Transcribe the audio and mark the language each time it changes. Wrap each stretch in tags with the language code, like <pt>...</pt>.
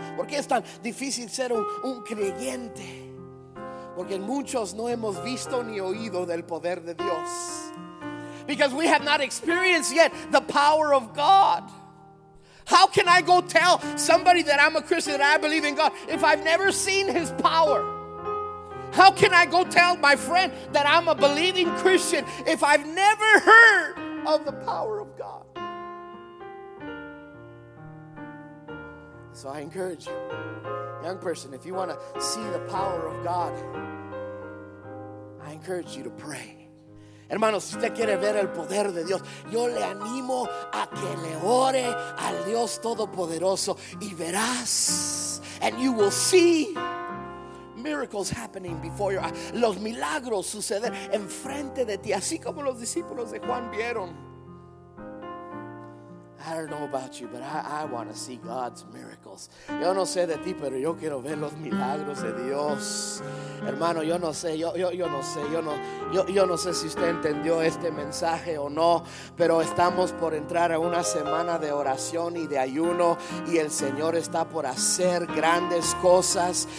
<es>¿Por qué es tan difícil ser un creyente? Porque muchos no hemos visto ni oído del poder de Dios.</es> <en>Because we have not experienced yet the power of God. How can I go tell somebody that I'm a Christian, that I believe in God, if I've never seen His power? How can I go tell my friend that I'm a believing Christian if I've never heard of the power of God? So I encourage you, young person, if you want to see the power of God, I encourage you to pray.</en> <es>Hermanos, si usted quiere ver el poder de Dios, yo le animo a que le ore al Dios Todopoderoso y verás,</es> <en>and you will see miracles happening before you,</en> <es>los milagros suceder enfrente de ti, así como los discípulos de Juan vieron.</es> <en>I don't know about you, but I want to see God's miracles.</en> <es>Yo no sé de ti, pero yo quiero ver los milagros de Dios. Hermano, yo no sé, yo no sé si usted entendió este mensaje o no, pero estamos por entrar a una semana de oración y de ayuno, y el Señor está por hacer grandes cosas.</es>